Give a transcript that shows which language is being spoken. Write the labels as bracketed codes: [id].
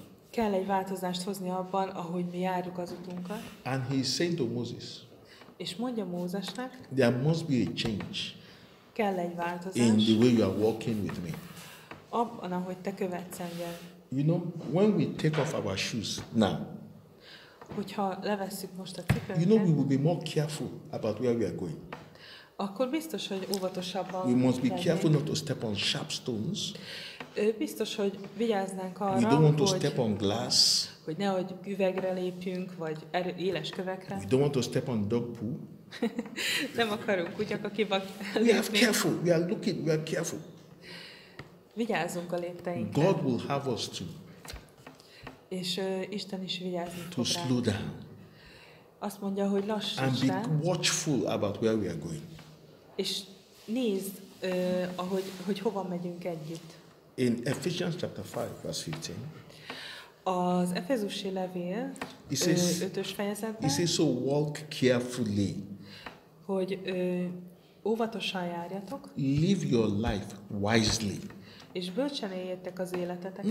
[hu] Kell egy változást hozni abban, ahogy mi járjuk az utunkat. [en] And he is saying to Moses. [hu] És mondja Mózesnek. [en] There must be a change. [hu] Kell egy változás. [en] In the way you are walking with me. [hu] Abban, ahogy te követsz engem. [en] You know, when we take off our shoes now. [hu] Hogyha levesszük most a cipőnket. [en] You know, we will be more careful about where we are going. [hu] Akkor biztos, hogy óvatosabban. [en] We must be careful not to step on sharp stones. [hu] Biztos, hogy vigyáznánk arra, [en] we don't want to step on glass. [hu] Hogy nehogy üvegre lépjünk, vagy éles kövekre. [en] We don't want to step on dog poo. [hu] Nem akarunk kutyak, akiba lépni. [en] We are careful. We are looking. We are careful. [hu] Vigyázzunk a lépteinkre. [en] God will have us to. [hu] És Isten is vigyázni [en] to [hu] fog [en] slow down. [hu] Azt mondja, hogy lassan. [en] And be watchful about where we are going. [hu] És nézd, hogy hova megyünk együtt. [en] In Ephesians chapter 5, verse 15. [hu] Az Efezusi levél 5-ös fejezetben. [en] It says, so walk carefully. [hu] Hogy óvatosan járjatok. [en] Live your life wisely. [hu] És bölcsen éljetek az életeteket.